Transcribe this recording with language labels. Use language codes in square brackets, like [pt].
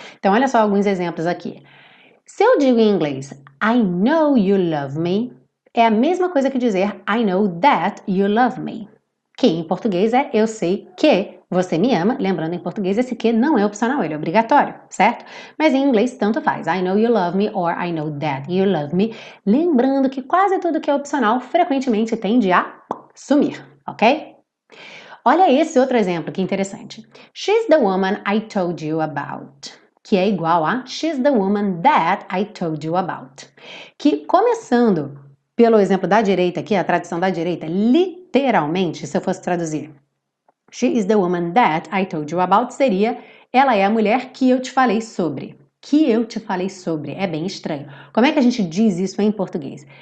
[pt] Então olha só alguns exemplos aqui. Se eu digo em inglês [en] I know you love me, [pt] é a mesma coisa que dizer [en] I know that you love me. [pt] Que em português é eu sei que você me ama, lembrando em português, esse que não é opcional, ele é obrigatório, certo? Mas em inglês, tanto faz. [en] I know you love me or I know that you love me. [pt] Lembrando que quase tudo que é opcional frequentemente tende a sumir, ok? Olha esse outro exemplo, que interessante. [en] She's the woman I told you about. [pt] Que é igual a [en] She's the woman that I told you about. [pt] Que começando pelo exemplo da direita aqui, a tradução da direita, literalmente, se eu fosse traduzir. [en] She is the woman that I told you about [pt] seria ela é a mulher que eu te falei sobre. Que eu te falei sobre. É bem estranho. Como é que a gente diz isso em português?